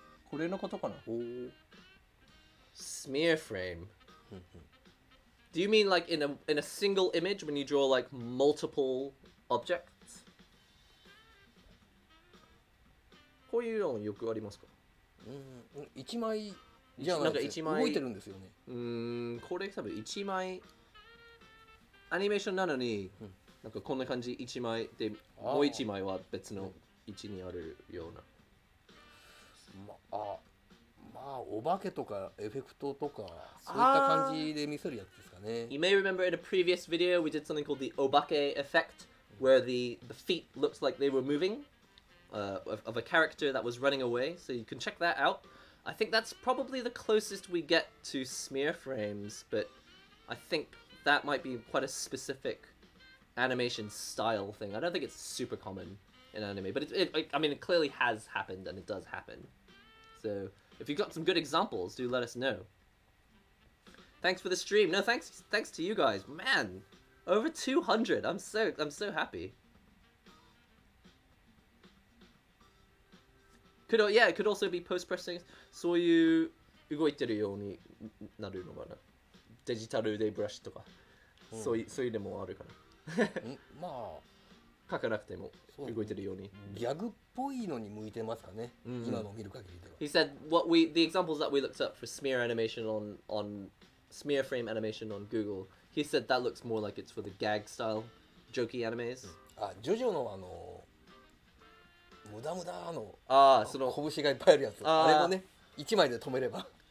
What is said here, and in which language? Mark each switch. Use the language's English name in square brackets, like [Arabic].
[Japanese] これのことかな? [English] Smear frame. Do you mean like in a single image when you draw like multiple objects? [Japanese] こういうのよくありますか? 一枚じゃないです。なんか一枚動いてるんですよね。これ多分一枚アニメーションなのに、なんかこんな感じ一枚でもう一枚は別の位置にあるような。まあ、お化けとかエフェクトとかそういった感じで見せるやつですかね。 [English] You may remember in a previous video we did something called the Obake effect, where the feet looks like they were moving, of a character that was running away. So you can check that out. I think that's probably the closest we get to smear frames, but I think that might be quite a specific animation style thing. I don't think it's super common in anime, but it clearly has happened and it does happen. So if you've got some good examples, do let us know. Thanks for the stream. No, thanks to you guys. Man, over 200. I'm so happy. It could also be post-pressing. So you [Japanese] 動いてるようになるのかな。デジタルでブラシとか。そういうのもあるかな。まあ、書かなくても動いてるように。ギャグっぽいのに向いてますかね。今の見る限りでは。 [English] He said, the examples that we looked up for smear animation on smear frame animation on Google, he said that looks more like it's for the gag style, jokey animes. [Japanese] あ、ジョジョのあの、無駄無駄の、ああ、その、拳がいっぱいあるやつ。あれもね、一枚で止めれば。